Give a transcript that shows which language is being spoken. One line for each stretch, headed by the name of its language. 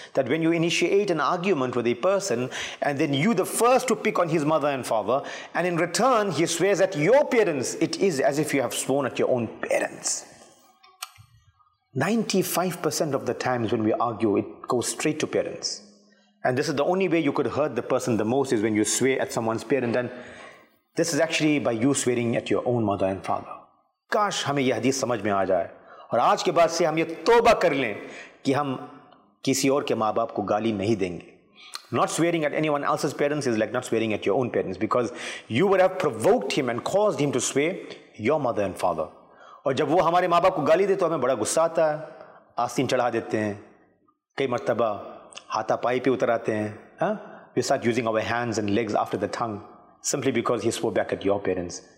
English: That when you initiate an argument with a person, and then you the first to pick on his mother and father, and in return he swears at your parents, it is as if you have sworn at your own parents. 95% of the times when we argue, it goes straight to parents. And this is the only way you could hurt the person the most, is when you swear at someone's parent. And this is actually by you swearing at your own mother and father.
Urdu: کاش ہمیں یہ حدیث سمجھ میں آ جائے اور آج کے بعد سے ہم یہ توبہ کر لیں کہ ہم کسی اور کے ماں باپ کو گالی نہیں دیں گے.
English: Not swearing at anyone else's parents is like not swearing at your own parents, because you would have provoked him and caused him to swear, your mother and father.
Urdu: اور جب وہ ہمارے ماں باپ کو گالی دے تو ہمیں بڑا غصہ آتا ہے, آستین چڑھا دیتے ہیں, کئی مرتبہ ہاتھا پائی پہ اتر آتے ہیں,
English: We start using our hands and legs after the tongue simply because he swore back at your parents.